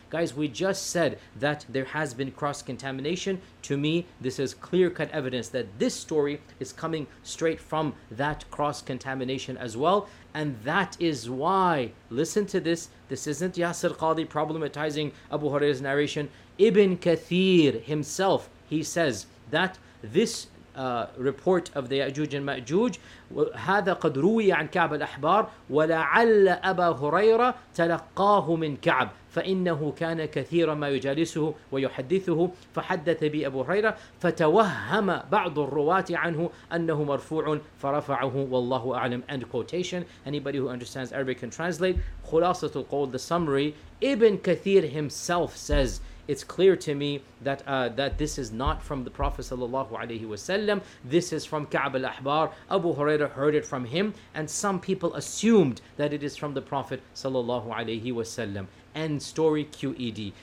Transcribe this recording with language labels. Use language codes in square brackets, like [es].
[en] Guys, we just said that there has been cross-contamination. To me, this is clear-cut evidence that this story is coming straight from that cross-contamination as well. And that is why, listen to this, this isn't Yasir Qadhi problematizing Abu Huraira's narration. Ibn Kathir himself, he says that this report of the Ya'juj and Ma'juj, [ar] هذا قد روي عن كعب الأحبار ولعل أبا هريرة تلقاه من كعب فإنه كان كثيرا ما يجالسه ويحدثه فحدث به أبو هريرة فتوهم بعض الرواة عنه أنه مرفوع فرفعه والله أعلم. [en] End quotation. Anybody who understands Arabic can translate. [ar] خلاصة القول, [en] the summary, Ibn Kathir himself says, it's clear to me that that this is not from the Prophet sallallahu alaihi wasallam. This is from Ka'b al-Ahbar. Abu Huraira heard it from him, and some people assumed that it is from the Prophet sallallahu alaihi wasallam. End story. QED.